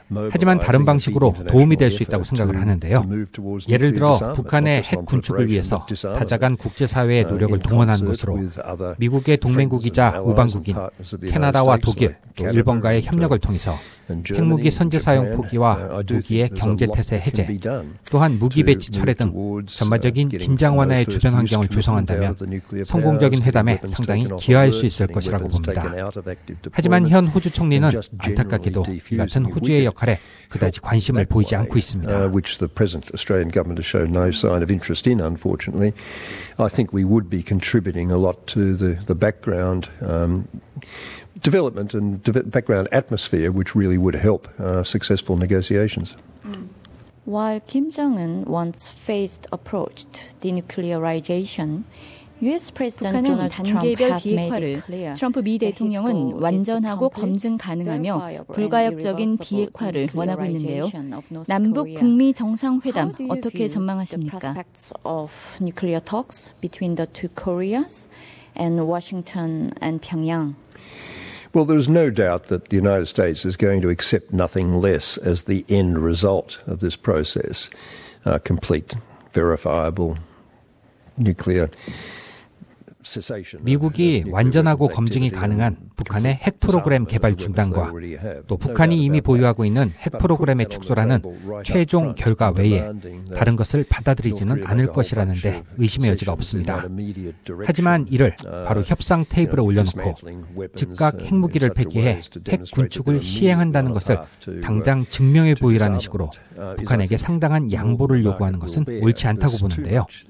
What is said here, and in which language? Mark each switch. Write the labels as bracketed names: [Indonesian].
[Korean] 하지만 다른 방식으로 도움이 될 수 있다고 생각을 하는데요. 예를 들어 북한의 핵 군축을 위해서 타자간 국제사회의 노력을 동원하는 것으로 미국의 동맹국이자 우방국인 캐나다와 독일, 또 일본과의 협력을 통해서 핵무기 선제 사용 포기와 무기의 경제 태세 해제, 또한 무기 배치 철회 등 전반적인 긴장 완화의 주변 환경을 조성한다면 성공적인 회담에 상당히 기여할 수 있을 것이라고 봅니다. 하지만 현 호주 총리는 안타깝게도 이 같은 호주의 역할에 그다지 관심을 보이지 않고 있습니다. [English] Which the present Australian government has shown no sign of interest in, unfortunately. I think we would be contributing a lot to the background development and background atmosphere, which really would help successful negotiations. While Kim Jong-un wants phased approach to denuclearization, U.S. President Donald Trump has made it clear. [Korean] 트럼프 미 대통령은 완전하고 검증 가능하며 불가역적인 비핵화를 원하고 있는데요. 남북 북미 정상회담 어떻게 전망하십니까? [English] How do you view the prospects of nuclear talks between the two Koreas and Washington and Pyongyang? Well, there is no doubt that the United States is going to accept nothing less as the end result of this process, complete, verifiable nuclear cessation. [Korean] 미국이 완전하고 검증이 가능한 북한의 핵 프로그램 개발 중단과 또 북한이 이미 보유하고 있는 핵 프로그램의 축소라는 최종 결과 외에 다른 것을 받아들이지는 않을 것이라는 데 의심의 여지가 없습니다. 하지만 이를 바로 협상 테이블에 올려놓고 즉각 핵무기를 폐기해 핵 군축을 시행한다는 것을 당장 증명해 보이라는 식으로 북한에게 상당한 양보를 요구하는 것은 옳지 않다고 보는데요.